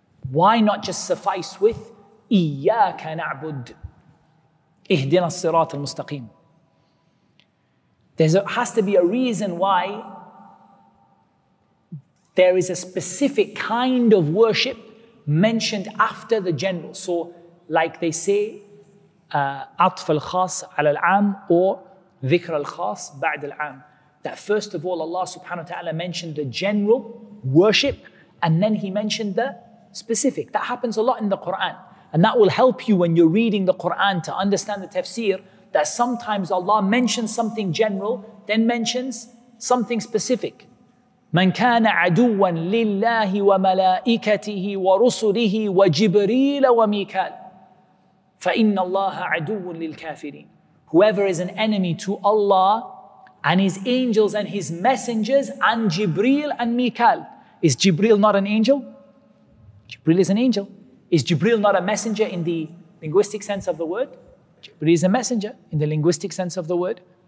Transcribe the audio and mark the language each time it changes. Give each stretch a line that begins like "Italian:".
English: Why not just suffice with Iyyaka na'bud? Ihdina as-sirat al-mustaqim. There has to be a reason why there is a specific kind of worship mentioned after the general. So like they say,
Arabic: عطف الخاص على العام or ذكر الخاص بعد العام.
English: That first of all, Allah subhanahu wa ta'ala mentioned the general worship and then he mentioned the specific. That happens a lot in the Quran. And that will help you when you're reading the Quran to understand the tafsir, that sometimes Allah mentions something general, then mentions something specific.
Arabic: من كان عدوا لله وملائكته ورسله وجبريل وميكال. فَإِنَّ اللَّهَ عَدُوٌ لِلْكَافِرِينَ.
English: Whoever is an enemy to Allah and His angels and His messengers and Jibreel and Mikal. Is Jibreel not an angel? Jibreel is an angel. Is Jibreel not a messenger in the linguistic sense of the word? Jibreel is a messenger in the linguistic sense of the word.